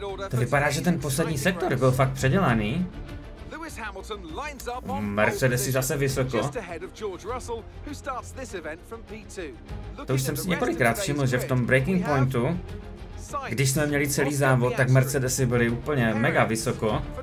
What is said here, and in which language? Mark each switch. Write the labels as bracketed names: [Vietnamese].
[Czech] To vypadá, že ten poslední sektor byl fakt předělaný. [English] Lewis Hamilton lines up on Mercedes is [Czech] zase vysoko. [English] Just ahead of George Russell, who starts this event from P2. [Czech] To už jsem si několikrát všiml, že v tom breaking pointu, když jsme měli celý závod, tak Mercedesy byly úplně mega vysoko.